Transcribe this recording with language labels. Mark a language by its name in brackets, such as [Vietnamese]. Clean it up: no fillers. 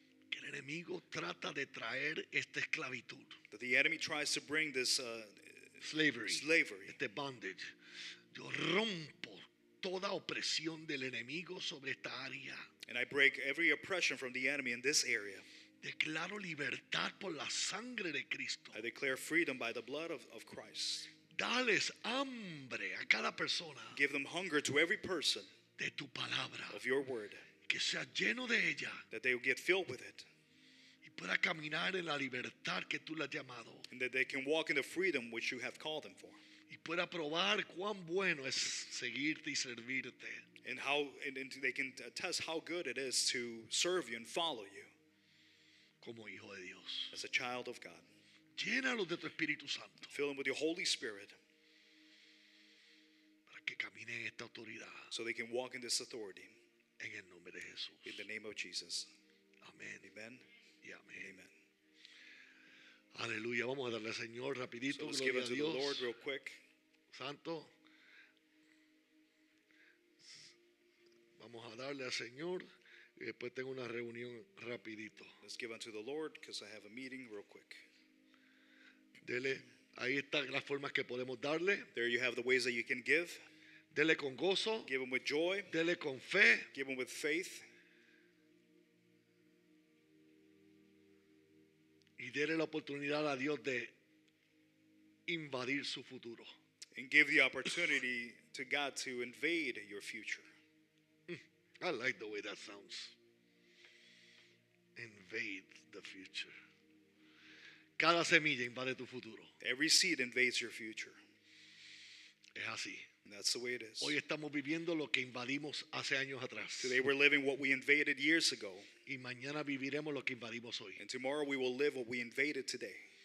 [Spanish] Que el enemigo trata de traer esta esclavitud. [English] That the enemy tries to bring this slavery. Este bondage. [Spanish] Yo rompo toda opresión del enemigo sobre esta área. [English] And I break every oppression from the enemy in this area. [Spanish] Declaro libertad por la sangre de Cristo. [English] I declare freedom by the blood of Christ. [Spanish] Dales hambre a cada persona. [English] Give them hunger to every person. [Spanish] De tu palabra. [English] Of your word. [Spanish] Que sea lleno de ella. [English] That they will get filled with it. [Spanish] Y pueda caminar en la libertad que tú le has llamado. [English] And that they can walk in the freedom which you have called them for. [Spanish] Y pueda probar cuán bueno es seguirte y servirte. [English] And how and they can test how good it is to serve you and follow you. [Spanish] Como hijo de Dios. [English] As a child of God. [Spanish] Llénalos de tu Espíritu Santo. [English] Fill them with your Holy Spirit. [Spanish] Para que caminen en esta autoridad. [English] So they can walk in this authority. [Spanish] En el nombre de Jesús. [English] In the name of Jesus. [Spanish] Amén. [English] Amen. [Spanish] Y amén. [English] Amen. [Spanish] Aleluya, vamos a darle al Señor rapidito. [English] So let's [Spanish] gloria [English] give it to the Lord real quick. [Spanish] Santo. Vamos a darle al Señor y después tengo una reunión rapidito. [English] Let's give unto the Lord because I have a meeting real quick. [Spanish] Dele, ahí están las formas que podemos darle. [English] There you have the ways that you can give. [Spanish] Dele con gozo. [English] Give him with joy. [Spanish] Dele con fe. [English] Give him with faith. [Spanish] Y déle la oportunidad a Dios de invadir su futuro. [English] And give the opportunity to God to invade your future. I like the way that sounds. Invade the future. [Spanish] Cada semilla invade tu futuro. [English] Every seed invades your future. [Spanish] Es así. [English] And that's the way it is. [Spanish] Hoy estamos viviendo lo que invadimos hace años atrás. [English] Today we're living what we invaded years ago. [Spanish] Y mañana viviremos lo que invadimos hoy. [English] And tomorrow we will live what we invaded today.